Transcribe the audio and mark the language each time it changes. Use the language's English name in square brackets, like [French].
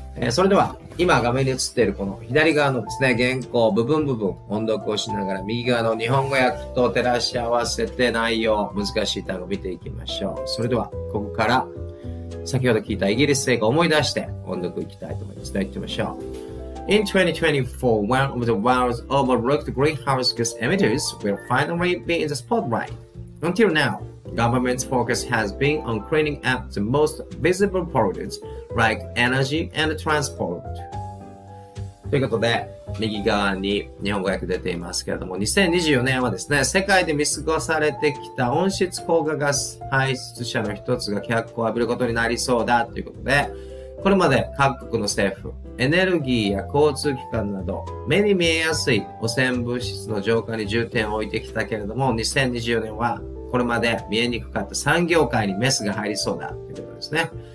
[Japanese] それでは、今画面に映っているこの左側のですね、原稿部分部分音読をしながら、右側の日本語訳と照らし合わせて内容、難しい単語見ていきましょう。それではここから、先ほど聞いたイギリス英語を思い出して音読いきたいと思います。では行ってみましょう。 [English] In 2024, one of the world's overlooked greenhouse gas emitters will finally be in the spotlight. Until now, government's focus has been on cleaning up the most visible pollutants. Like energy and transport. [Japanese] ということで、右側に日本語訳出ていますけれども、2024年はですね、世界で見過ごされてきた温室効果ガス排出者の一つが脚光を浴びることになりそうだということで、これまで各国の政府、エネルギーや交通機関など、目に見えやすい汚染物質の浄化に重点を置いてきたけれども、2024年はこれまで見えにくかった産業界にメスが入りそうだということですね。